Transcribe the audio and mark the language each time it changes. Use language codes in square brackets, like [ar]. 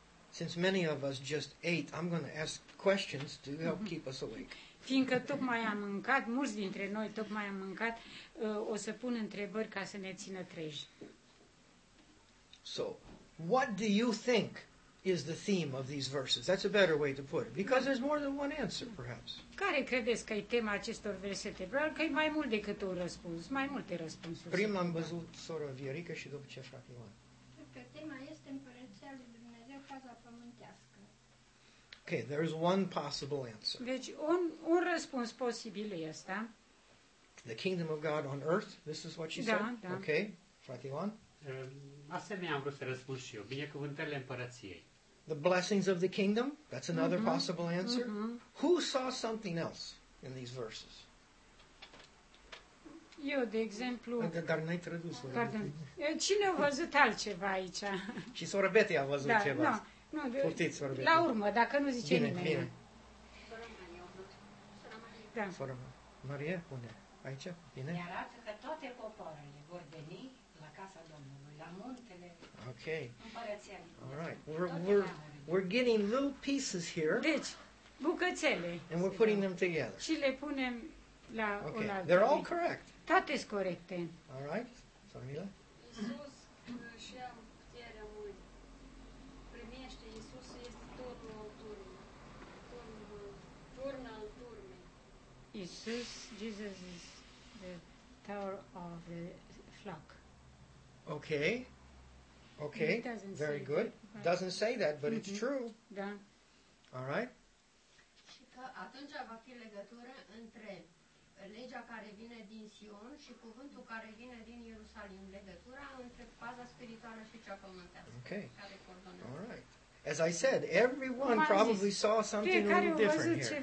[en] Since many of us just ate, I'm going to ask questions to help keep us awake. [ro] Fiindcă tocmai am mâncat, mulți dintre noi tocmai am mâncat, o să pun întrebări ca să ne țină treji. [en] So, what do you think is the theme of these verses? That's a better way to put it, because there's more than one answer, perhaps. [ro] Care credeți că e tema acestor versete? Probabil că e mai mult decât un răspuns, mai multe răspunsuri. Prima am văzut sora Viorica și după ce frate Ioan. Că tema este împărăția lui Dumnezeu, faza pământească. [en] Okay, there is one possible answer. [ro] Deci, un răspuns posibil este. [en] The kingdom of God on earth, this is what she said? [ro] Da. Okay, frate Ioan? Asemenea, am vrut să răspund și eu. Binecuvântările împărăției. [en] The blessings of the kingdom, that's another possible answer. Who saw something else in these verses? [ro] Eu, de exemplu... Dar n-ai tradus. Pardon. Cine a văzut altceva aici? Și sora Betty a văzut ceva. Da, nu. Furtiți, sora Betty. La urmă, dacă nu zice bine, nimeni. Bine, bine. Da. Sora Maria, unde? Aici? Bine? Mi-arată că toate poporile vor veni la casa Domnului, la muntele. Ok. Împărăția. [en] All right. We're getting little pieces here. [ro] Deci, bucățele. [en] And we're putting them together. [ro] Și le punem la okay. un altul. [en] They're all correct. [ro] Toate sunt corecte. [en] All right. Sora Mila? [ro] Iisus își ia puterea lui. Primește Iisus, este turnul al turmei. Turnul al turmei. [en] Iisus, Jesus is the tower of the flock. Okay. Okay. Very good. That, doesn't say that, but mm-hmm. it's true. [ro] Da. [en] All right. [ro] Și că atunci va fi legătură între legea care vine din Sion și cuvântul care vine din Ierusalim, legătura între faza spirituală și cea pământească. Okay. Care coordonează. [en] All right. As I said, everyone probably saw something a little different here.